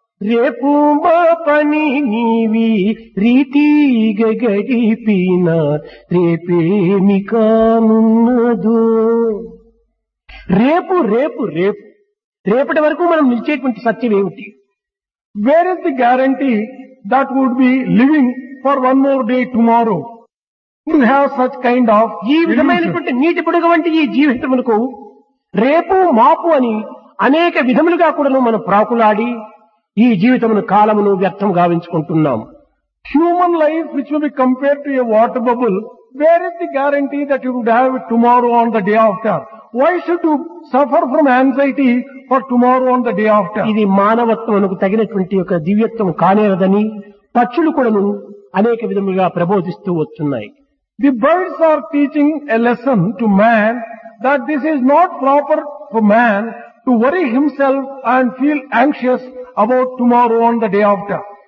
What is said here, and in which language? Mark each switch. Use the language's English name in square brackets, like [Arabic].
[Telugu] రేపు మాపని నీవి రీతి గడిపిన రేపేమి కానున్నదు. రేపు రేపు రేపు రేపటి వరకు మనం నిలిచేటువంటి సత్యం ఏమిటి? [English] Where is the guarantee that would be living for one more day tomorrow. You have such kind of [Telugu] ఈ విధమైనటువంటి నీటి పొడుగు వంటి ఈ జీవితమునకు రేపు మాపు అని అనేక విధములుగా కూడా మనం ప్రాకులాడి ఈ జీవితమును కాలమును వ్యర్థం గావించుకుంటున్నాం. [English] Human life which will be compare to a water bubble, where is the guarantee that you would have it tomorrow on the day after? Why should you suffer from anxiety for tomorrow on the day after? [Telugu] ఇది మానవత్వమునకు తగినటువంటి ఒక దివ్యత్వం కానేదని పక్షులు కూడా అనేక విధములుగా ప్రబోధిస్తూ వచ్చున్నాయి. [English] The birds are teaching a lesson to man that this is not proper for man to worry himself and feel anxious about tomorrow on the day after.